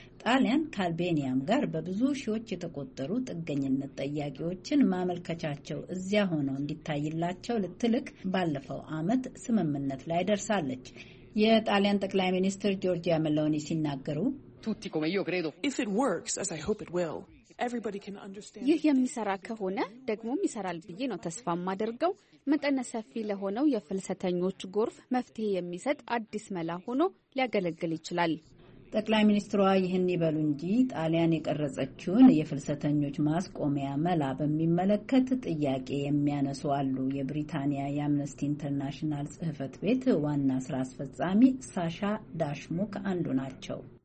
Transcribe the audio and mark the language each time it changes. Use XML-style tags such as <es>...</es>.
<am>ጣሊያን ከአልቤኒያም ጋር በብዙ ሺዎች የተቆጠሩ ጥገኝነት ጠያቂዎችን ማመልከቻቸው እዚያ ሆነው እንዲታይላቸው ልትልክ ባለፈው ዓመት ስምምነት ላይ ደርሳለች። የጣሊያን ጠቅላይ ሚኒስትር ጆርጂያ መሎኒ ሲናገሩ</am> <it>tutti come io credo</it> <en>if it works as I hope it will everybody can understand</en> <am>ይህ የሚሰራ ከሆነ ደግሞ ይሰራል ብዬ ነው ተስፋ ማደርገው። መጠነ ሰፊ ለሆነው የፍልሰተኞች ጎርፍ መፍትሄ የሚሰጥ አዲስ መላ ሆኖ ሊያገለግል ይችላል። ጠቅላይ ሚኒስትሯ ይህን ይበሉ እንጂ ጣሊያን የቀረጸችውን የፍልሰተኞች ማስቆሚያ መላ በሚመለከት ጥያቄ የሚያነሱ አሉ። የብሪታንያ የአምነስቲ ኢንተርናሽናል ጽህፈት ቤት ዋና ስራ አስፈጻሚ ሳሻ ዳሽሙክ አንዱ ናቸው።</am>